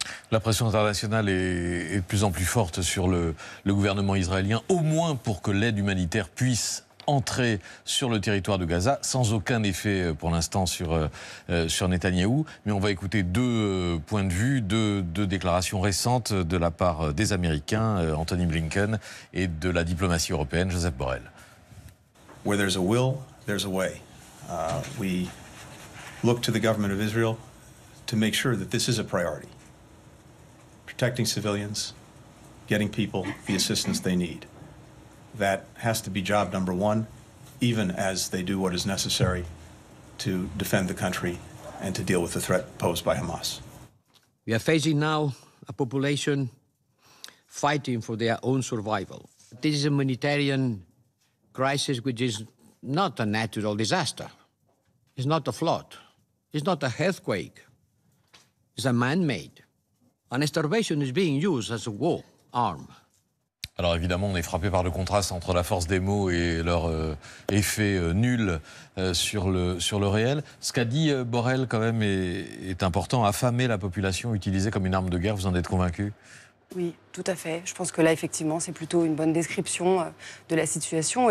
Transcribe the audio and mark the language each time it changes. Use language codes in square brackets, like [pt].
[fr] La pression internationale est de plus en plus forte sur le gouvernement israélien, au moins pour que l'aide humanitaire puisse entrer sur le territoire de Gaza, sans aucun effet pour l'instant sur Netanyahou. Mais on va écouter deux points de vue, deux déclarations récentes de la part des Américains, Anthony Blinken, et de la diplomatie européenne, Joseph Borrell. [en] Where there's a will, there's a way. We look to the government of Israel to make sure that this is a priority. Protecting civilians, getting people the assistance they need. That has to be job number one, even as they do what is necessary to defend the country and to deal with the threat posed by Hamas. We are facing now a population fighting for their own survival. This is a humanitarian crisis which is not a natural disaster. It's not a flood. It's not a earthquake. It's a man-made. And starvation is being used as a war arm. [fr] Alors évidemment, on est frappé par le contraste entre la force des mots et leur effet nul sur le réel. Ce qu'a dit Borrell quand même est important. Affamer la population, utilisée comme une arme de guerre, vous en êtes convaincu ? Oui, tout à fait. Je pense que là, effectivement, c'est plutôt une bonne description de la situation.